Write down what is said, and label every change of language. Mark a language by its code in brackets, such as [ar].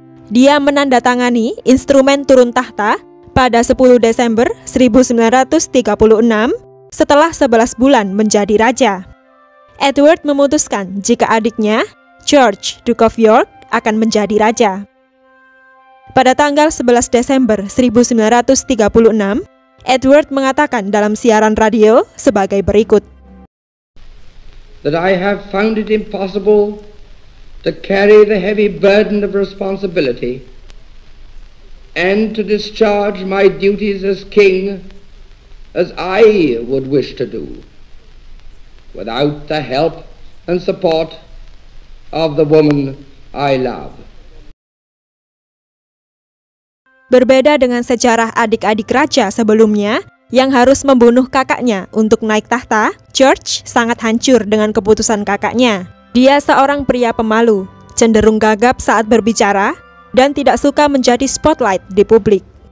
[id] Dia menandatangani instrumen turun tahta pada 10 Desember 1936 setelah 11 bulan menjadi raja. Edward memutuskan jika adiknya, George, Duke of York, akan menjadi raja. Pada tanggal 11 Desember 1936, Edward mengatakan dalam siaran radio sebagai berikut. [en] That I have found it impossible to carry the heavy burden of responsibility and to discharge my duties as king as I would wish to do without the help and support of the woman I love. [id] Berbeda dengan sejarah adik-adik raja sebelumnya yang harus membunuh kakaknya untuk naik tahta, George sangat hancur dengan keputusan kakaknya. Dia seorang pria pemalu, cenderung gagap saat berbicara, dan tidak suka menjadi spotlight di publik.